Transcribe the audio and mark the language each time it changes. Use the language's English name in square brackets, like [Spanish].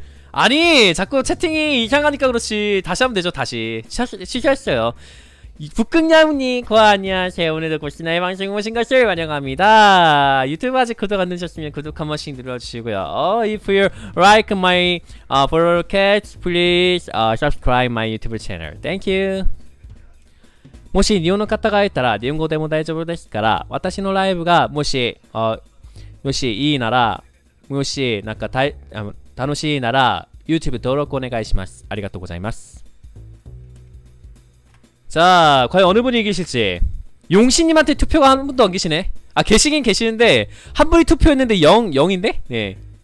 [Korean] 아니, 자꾸 채팅이 이상하니까 그렇지. 다시 하면 되죠, 다시. 실수했어요. 북극야무님 고아 안녕하세요. 오늘도 고시나의 방송 오신 것을 환영합니다. 유튜브 아직 구독 안 되셨으면 구독 한 번씩 눌러주시고요. [English] If you like my broadcast, please subscribe my YouTube channel. Thank you. [Japanese] もし日本の方がいたら日本語でも大丈夫ですから私のライブがもしいいならもしなんか楽しいなら YouTube 登録お願いします。ありがとうございます。 [Korean] 자, 과연 어느 분이 이기실지. 용신님한테 투표가 한 분도 안 계시네. 아, 계시긴 계시는데 한 분이 투표했는데 0인데? 네.